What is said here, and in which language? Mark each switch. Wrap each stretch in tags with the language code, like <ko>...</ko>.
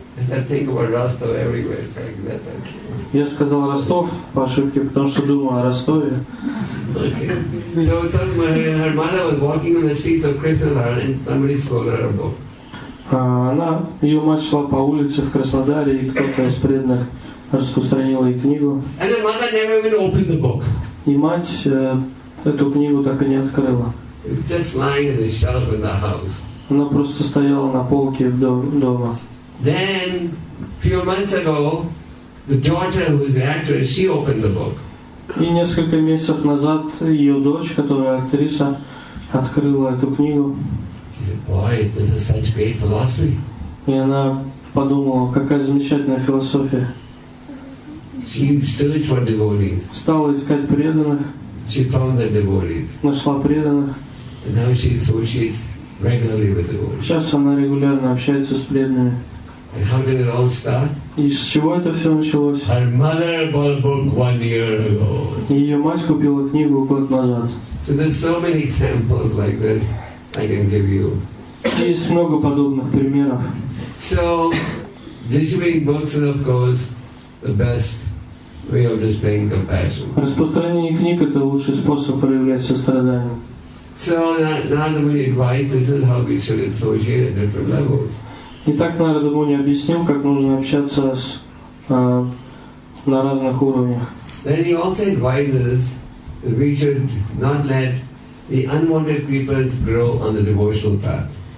<en>I think we're Rostov everywhere.</en> <ru>Я сказал Ростов по ошибке, потому что думал о Ростове.</ru> <en>Okay. So somebody, her mother was walking on the streets of Krasnodar and somebody sold her a book.</en> <ru>Она, ее мать шла по улице в Краснодаре, и кто-то из преданных распространил ей книгу.</ru> <en>And the mother never even opened the book.</en> <ru>И мать эту книгу так и не открыла.</ru> <en>Just lying in the shelf in the house.</en> <ru>Она просто стояла на полке в дома.</ru> <en>Then, few months ago, the daughter, who is the actress, she opened the book.</en> <ru>И несколько месяцев назад ее дочь, которая актриса, открыла эту книгу.</ru> <en>Boy, this is such great philosophy.</en> <ru>И она подумала, какая замечательная философия.</ru> <en>She searched for devotees.</en> <ru>Стала искать преданных.</ru> <en>She found the devotees.</en> <ru>Нашла преданных.</ru> <en>And now she associates regularly with devotees.</en> <ru>Сейчас она регулярно общается с преданными.</ru> <en>And how did it all start?</en> <ru>И с чего это все началось?</ru> <en>Her mother bought a book 1 year ago.</en> <ru>Ее мать купила книгу год назад.</ru> <en>So there's so many examples like this. I can give you.</en> <ru>Есть много подобных примеров.</ru> <en>So, distributing books is, of course, the best way of displaying compassion.</en> <ru>Распространение книг – это лучший способ проявлять сострадание.</ru> <en>So, now that we advise, this is how we should associate at different levels.</en> <ru>Итак, на Радамуне объясним, как нужно общаться с на разных уровнях.</ru> <en>Then he also advises that we should not let the unwanted creepers grow on the devotional path.</en>